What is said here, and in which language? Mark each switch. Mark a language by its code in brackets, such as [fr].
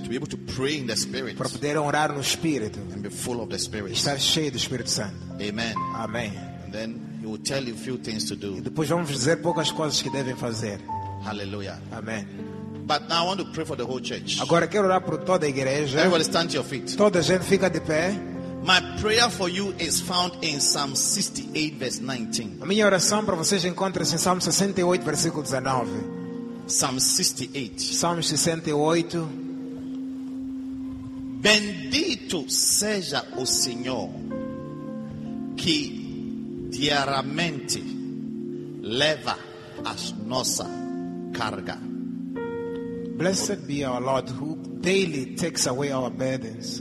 [en] To be able to pray in the Spirit. [pt] Para poder orar no Espírito. [en] And be full of the Spirit. [pt] E estar cheio do Espírito Santo. [en] Amen. [pt] Amém. [en] And then he will tell you few things to do. [pt] E depois vamos dizer poucas coisas que devem fazer. [en] Hallelujah. [pt] Amém. [en] But now I want to pray for the whole church. [pt] Agora quero orar por toda a igreja. [en] Everybody stand to your feet. [pt] Toda a gente fica de pé. [en] My prayer for you is found in Psalm 68, verse 19. [pt] A minha oração para vocês encontra-se em Salmo 68, versículo 19. [en] Psalm 68. [pt] Salmo 68. Bendito seja o Senhor que diariamente leva a nossa carga. [en] Blessed be our Lord who daily takes away our burdens.